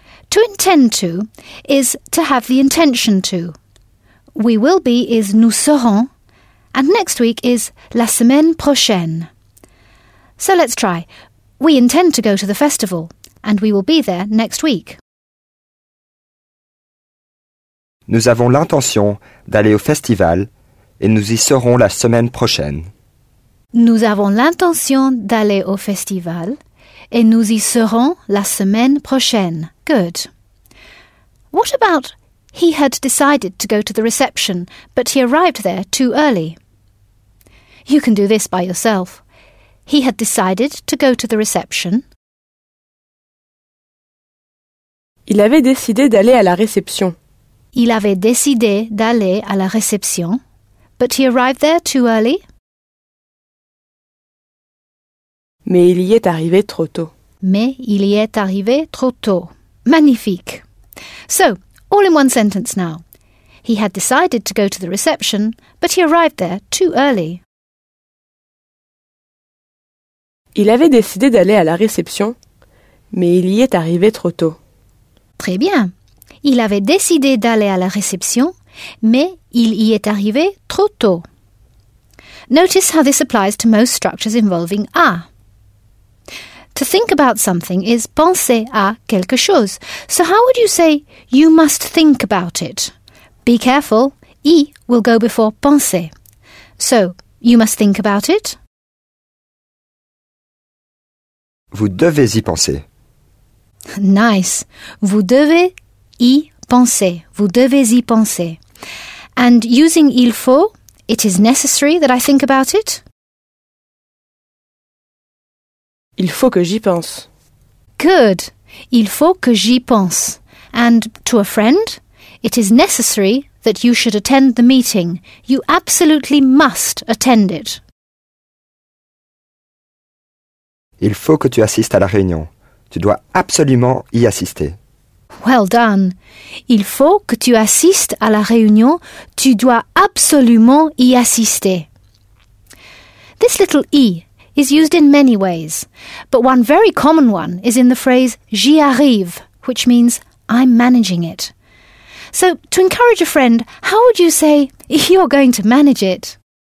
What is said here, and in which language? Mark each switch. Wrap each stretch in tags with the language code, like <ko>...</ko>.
<en>To intend to is to have the intention to. We will be is</en> <fr>nous serons.</fr> <en>And next week is</en> <fr>la semaine prochaine.</fr> <en>So let's try. We intend to go to the festival, and we will be there next week.</en> <fr>Nous avons l'intention d'aller au festival, et nous y serons la semaine prochaine. Nous avons l'intention d'aller au festival, et nous y serons la semaine prochaine.</fr> <en>Good. What about he had decided to go to the reception, but he arrived there too early? You can do this by yourself. He had decided to go to the reception.</en> <fr>Il avait décidé d'aller à la réception. Il avait décidé d'aller à la réception,</fr> <en>but he arrived there too early.</en> <fr>Mais il y est arrivé trop tôt. Mais il y est arrivé trop tôt. Magnifique.</fr> <en>So, all in one sentence now. He had decided to go to the reception, but he arrived there too early.</en> <fr>Il avait décidé d'aller à la réception, mais il y est arrivé trop tôt. Très bien. Il avait décidé d'aller à la réception, mais il y est arrivé trop tôt.</fr> <en>Notice how this applies to most structures involving à. To think about something is</en> <fr>penser à quelque chose.</fr> <en>So how would you say you must think about it? Be careful, y will go before penser. So, you must think about it.</en> <fr>Vous devez y penser. Nice. Vous devez y penser. Vous devez y penser.</fr> <en>And using il faut, it is necessary that I think about it.</en> <fr>Il faut que j'y pense. Good. Il faut que j'y pense.</fr> <en>And to a friend, it is necessary that you should attend the meeting. You absolutely must attend it.</en> <fr>Il faut que tu assistes à la réunion. Tu dois absolument y assister.</fr> <en>Well done.</en> <fr>Il faut que tu assistes à la réunion. Tu dois absolument y assister.</fr> <en>This little i is used in many ways, but one very common one is in the phrase</en> <fr>j'y arrive,</fr> <en>which means I'm managing it. So, to encourage a friend, how would you say you're going to manage it?</en>